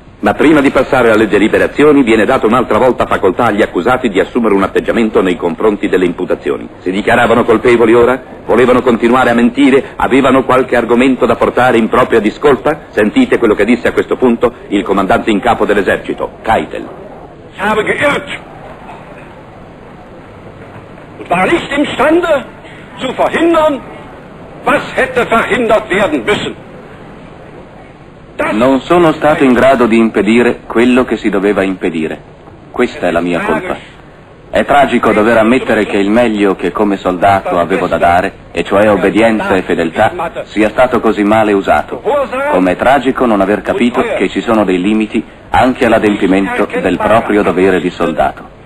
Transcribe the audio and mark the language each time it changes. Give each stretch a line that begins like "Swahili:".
Italian: Ma prima di passare alle deliberazioni viene data un'altra volta facoltà agli accusati di assumere un atteggiamento nei confronti delle imputazioni. Si dichiaravano colpevoli ora? Volevano continuare a mentire? Avevano qualche argomento da portare in propria discolpa? Sentite quello che disse a questo punto il comandante in capo dell'esercito, Keitel.
German: War nicht imstande zu verhindern, was hätte verhindert werden müssen.
Italian: Non sono stato in grado di impedire quello che si doveva impedire. Questa è la mia colpa. È tragico dover ammettere che il meglio che come soldato avevo da dare, e cioè obbedienza e fedeltà, sia stato così male usato. Com'è tragico non aver capito che ci sono dei limiti anche all'adempimento del proprio dovere di soldato.